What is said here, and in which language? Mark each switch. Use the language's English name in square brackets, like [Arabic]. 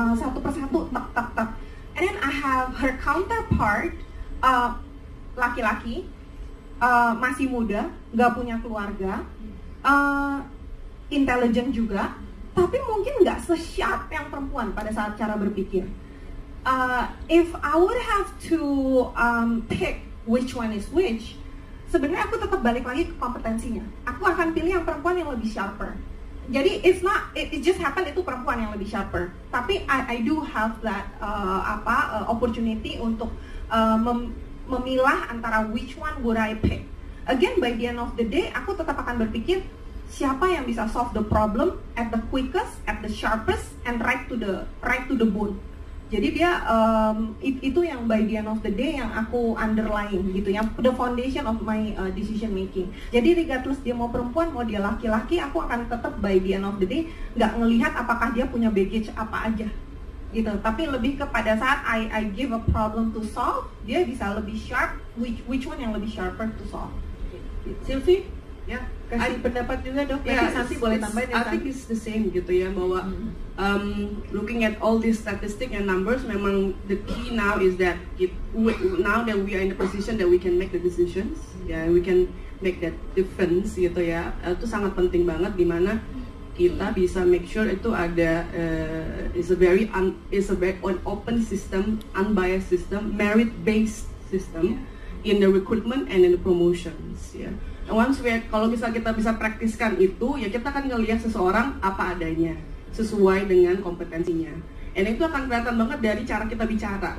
[Indonesian] Satu persatu, tak tak tak. [English] And then I have her counterpart, [Indonesian] laki-laki, masih muda, nggak punya keluarga, intelligent juga, tapi mungkin nggak se-sharp yang perempuan pada saat cara berpikir. [English] If I would have to pick which one is which, [Indonesian] sebenarnya aku tetap balik lagi ke kompetensinya. Aku akan pilih yang perempuan yang lebih sharper. Jadi [English] it's not, it just happen [Indonesian] itu perempuan yang lebih sharper. [English] Tapi I do have that opportunity [Indonesian] untuk memilah antara [English] which one would I pick. Again, by the end of the day, [Indonesian] aku tetap akan berpikir siapa yang bisa [English] solve the problem at the quickest, at the sharpest, and right to the bone. [Indonesian] Jadi dia itu yang [English] by the end of the day [Indonesian] yang aku underline gitu, yang [English] the foundation of my decision making. [Indonesian] Jadi regardless dia mau perempuan mau dia laki-laki, aku akan tetap [English] by the end of the day [Indonesian] nggak ngelihat apakah dia punya baggage apa aja gitu. Tapi lebih kepada saat [English] I give a problem to solve, [Indonesian] dia bisa lebih sharp, [English] which one yang lebih sharper to solve. [Indonesian] Sylvie, ya kasih pendapat juga dong. Ya, nanti boleh tambahin. [English] I think it's the same gitu ya, bahwa looking at all these statistics and numbers, memang the key now is that now that we are in the position that we can make the decisions, yeah, we can make that difference gitu ya. [Indonesian] Itu sangat penting banget di mana kita bisa [English] make sure itu ada is a very open system, unbiased system, merit based system in the recruitment and in the promotions, ya. Yeah. Once we [Indonesian] kalau misal kita bisa praktiskan itu, ya kita akan ngelihat seseorang apa adanya, sesuai dengan kompetensinya. And itu akan kelihatan banget dari cara kita bicara.